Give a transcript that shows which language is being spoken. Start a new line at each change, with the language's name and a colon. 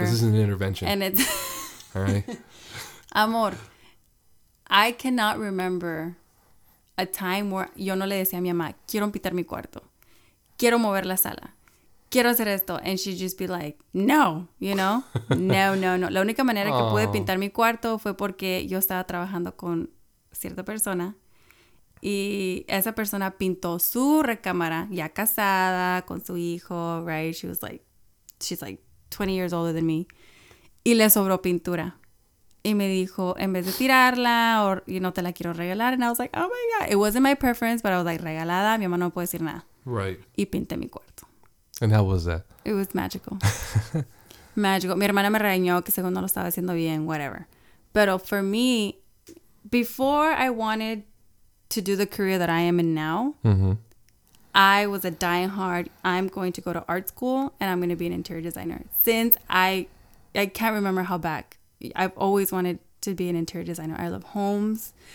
English: This is an intervention. And it's... All right.
Spanish: Amor.
English: I cannot remember a time where
Spanish: yo no le decía a mi mamá, quiero pintar mi cuarto, quiero mover la sala, quiero hacer esto.
English: And she'd just be like, no, you know, no.
Spanish: La única manera que pude pintar mi cuarto fue porque yo estaba trabajando con cierta persona y esa persona pintó su recámara, ya casada, con su hijo, right?
English: She's like 20 years older than me.
Spanish: Y le sobró pintura. Y me dijo, en vez de tirarla,
English: or, you know,
Spanish: te la quiero regalar.
English: And I was like, oh my God. It wasn't my preference, but I was like, regalada.
Spanish: Mi mamá no puede decir nada.
English: Right.
Spanish: Y pinté mi cuarto.
English: And how was that? It was magical.
Spanish: Magical. Mi hermana me regañó que según no lo estaba haciendo bien, whatever.
English: Pero for me, before I wanted to do the career that I am in now, mm-hmm. I was a diehard, I'm going to go to art school and I'm going to be an interior designer. Since I can't remember how back. I've always wanted to be an interior designer. I love homes.